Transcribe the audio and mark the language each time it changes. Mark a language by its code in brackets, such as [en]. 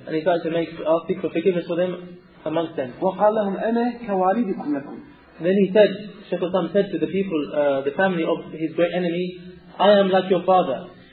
[en] And he started to seek forgiveness for them amongst them. [ar] وقال لهم أنا كوالدكم لكم. [en] Then he said, Shaykh al-Islam said to the people, the family of his great enemy, I am like your father.